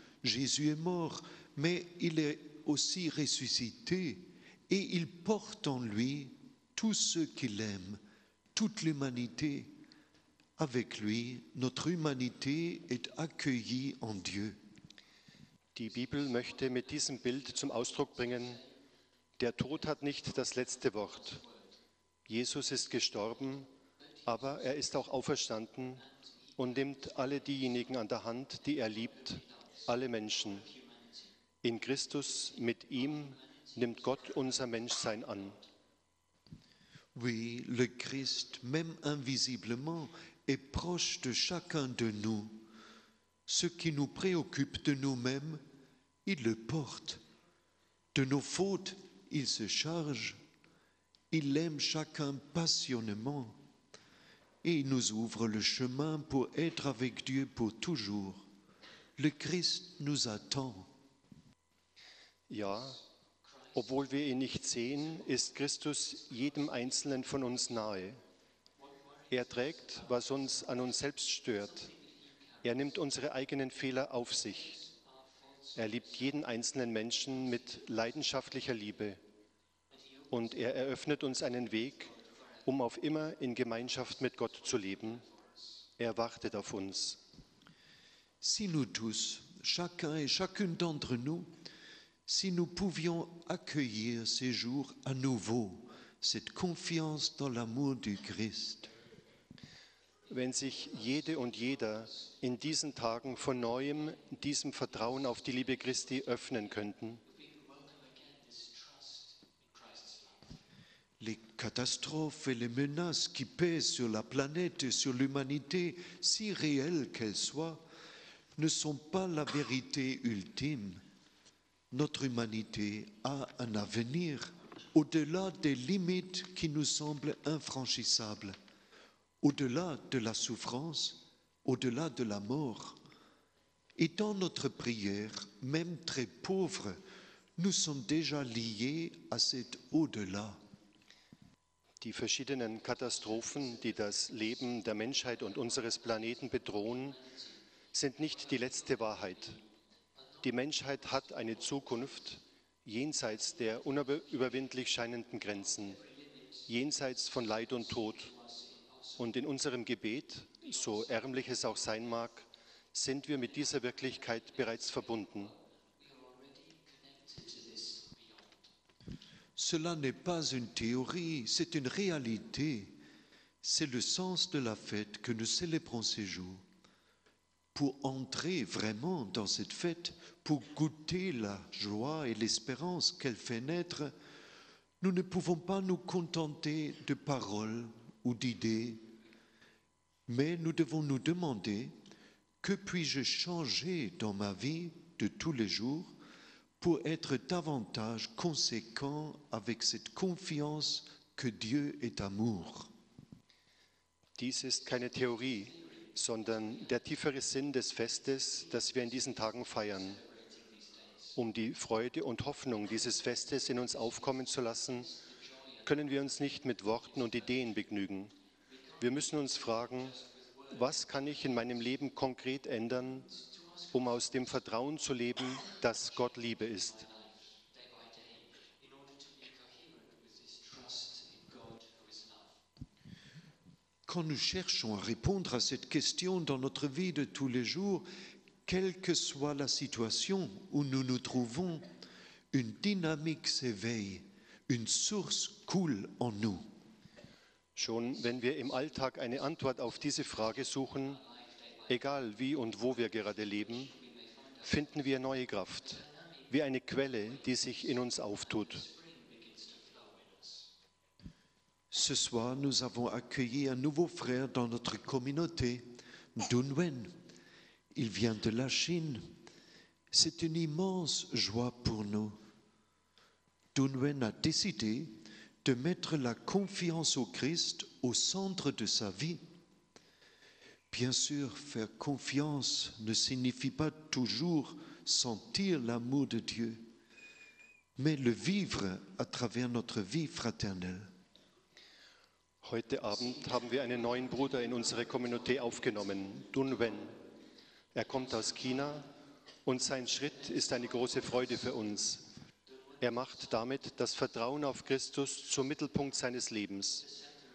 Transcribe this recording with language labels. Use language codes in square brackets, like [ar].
[fr] Jésus est mort, mais il est aussi ressuscité et il porte en lui tous ceux qu'il aime, toute l'humanité. Avec lui, notre humanité est accueillie en Dieu. [de] Die Bibel möchte mit diesem Bild zum Ausdruck bringen, der Tod hat nicht das letzte Wort. Jesus ist gestorben, aber er ist auch auferstanden und nimmt alle diejenigen an der Hand, die er liebt, alle Menschen. In Christus, mit ihm, nimmt Gott unser Menschsein an. [fr] Oui, le Christ, même invisiblement, est proche de chacun de nous. Ce qui nous préoccupe de nous-mêmes, il le porte. De nos fautes, il se charge. Il aime chacun passionnément et il nous ouvre le chemin pour être avec Dieu pour toujours. Le Christ nous attend. [de] Ja, obwohl wir ihn nicht sehen, ist Christus jedem Einzelnen von uns nahe. Er trägt, was uns an uns selbst stört. Er nimmt unsere eigenen Fehler auf sich. Er liebt jeden einzelnen Menschen mit leidenschaftlicher Liebe. Und er eröffnet uns einen Weg, um auf immer in Gemeinschaft mit Gott zu leben. Er wartet auf uns. [fr] Si nous tous, chacun et chacune d'entre nous, si nous pouvions accueillir ces jours à nouveau, cette confiance dans l'amour du Christ. [de] Wenn sich jede und jeder in diesen Tagen von neuem diesem Vertrauen auf die Liebe Christi öffnen könnten. [fr] Les catastrophes et les menaces qui pèsent sur la planète et sur l'humanité, si réelles qu'elles soient, ne sont pas la vérité ultime. Notre humanité a un avenir au-delà des limites qui nous semblent infranchissables, au-delà de la souffrance, au-delà de la mort. Et dans notre prière, même très pauvre, nous sommes déjà liés à cet au-delà. [de] Die verschiedenen Katastrophen, die das Leben der Menschheit und unseres Planeten bedrohen, sind nicht die letzte Wahrheit. Die Menschheit hat eine Zukunft jenseits der unüberwindlich scheinenden Grenzen, jenseits von Leid und Tod. Und in unserem Gebet, so ärmlich es auch sein mag, sind wir mit dieser Wirklichkeit bereits verbunden. [fr] Cela n'est pas une théorie, c'est une réalité. C'est le sens de la fête que nous célébrons ces jours. Pour entrer vraiment dans cette fête, pour goûter la joie et l'espérance qu'elle fait naître, nous ne pouvons pas nous contenter de paroles ou d'idées. Mais nous devons nous demander, que puis-je changer dans ma vie de tous les jours ? Pour être davantage conséquent avec cette confiance que Dieu est amour. [de] Dies ist keine Theorie, sondern der tiefere Sinn des Festes, das wir in diesen Tagen feiern. Um die Freude und Hoffnung dieses Festes in uns aufkommen zu lassen, können wir uns nicht mit Worten und Ideen begnügen. Wir müssen uns fragen, was kann ich in meinem Leben konkret ändern, um aus dem Vertrauen zu leben, dass Gott Liebe ist. [fr] Quand nous cherchons à répondre à cette question dans notre vie de tous les jours, quelle que soit la situation où nous nous trouvons, une dynamique s'éveille, une source coule en nous. [de] Schon wenn wir im Alltag eine Antwort auf diese Frage suchen, egal wie und wo wir gerade leben, finden wir neue Kraft, wie eine Quelle, die sich in uns auftut. [fr] Ce soir, nous avons accueilli un nouveau frère dans notre communauté, Dunwen. Il vient de la Chine. C'est une immense joie pour nous. Dunwen a décidé de mettre la confiance au Christ au centre de sa vie. Bien sûr, faire confiance ne signifie pas toujours sentir l'amour de Dieu, mais le vivre à travers notre vie fraternelle. [de] Heute Abend haben wir einen neuen Bruder in unsere Community aufgenommen, Dunwen. Er kommt aus China und sein Schritt ist eine große Freude für uns. Er macht damit das Vertrauen auf Christus zum Mittelpunkt seines Lebens.